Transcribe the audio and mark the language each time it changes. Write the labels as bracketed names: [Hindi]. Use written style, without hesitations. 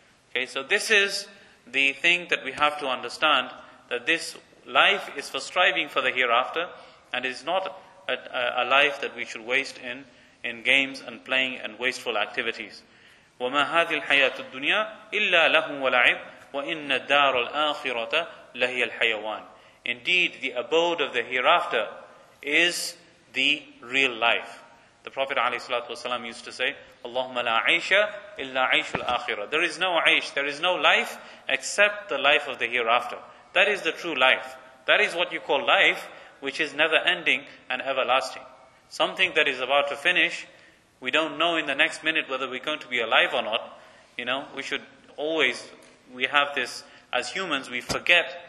[English] Okay, so this is the thing that we have to understand, that this life is for striving for the hereafter, and is not a life that we should waste in games and playing and wasteful activities. [Arabic] وَمَا هَذِي الْحَيَاةُ الدُّنْيَا إِلَّا لَهُمْ وَلَعِبْ وَإِنَّ الدَّارُ الْآخِرَةَ لَهِيَ الْحَيَوَانِ. [English] Indeed, the abode of the hereafter is the real life. The Prophet ﷺ used to say, [Arabic] اللهم لا عيش إلا عيش الآخرة. [English] There is no [Arabic] عيش, [English] there is no life except the life of the hereafter. That is the true life. That is what you call life, which is never ending and everlasting. Something that is about to finish, we don't know in the next minute whether we're going to be alive or not. You know, we should always, we have this, as humans, we forget.